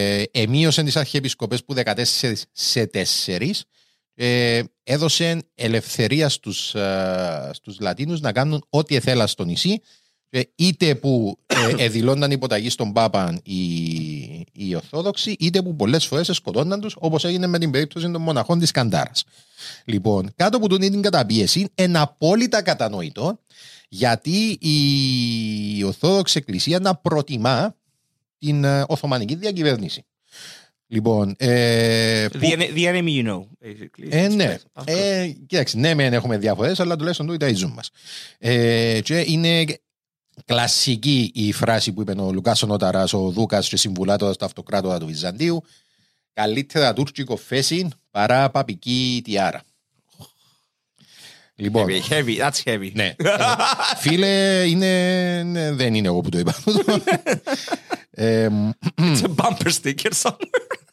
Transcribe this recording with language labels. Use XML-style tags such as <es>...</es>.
<el>εμείωσε τις Αρχιεπισκοπές που 14 σε 4, έδωσε ελευθερία στους Λατίνους να κάνουν ό,τι θέλα στο νησί, είτε που εδηλώνταν υποταγή στον Πάπα οι Ορθόδοξοι, είτε που πολλές φορές σκοτώναν τους, όπως έγινε με την περίπτωση των μοναχών της Καντάρας. Λοιπόν, κάτω από την καταπίεση, εν απόλυτα κατανοητό, γιατί η Ορθόδοξη Εκκλησία να προτιμά την Οθωμανική διακυβέρνηση. Λοιπόν,</el> <en>the enemy you know, basically.</en> <el>Κοιτάξτε, ναι, μεν έχουμε διαφορές, αλλά τουλάχιστον το ίδιο μας. Είναι κλασική η φράση που είπε ο Λουκάς ο Νόταρας, ο Δούκας και συμβουλάτωρας του αυτοκράτορα του Βυζαντίου. Καλύτερα τουρκικό φέσιν παρά παπική τιάρα. Λοιπόν,</el> <en>heavy, that's heavy.</en> <el>Ναι, φίλε, δεν είναι εγώ που το είπα.</el> <en>It's a bumper sticker somewhere.</en>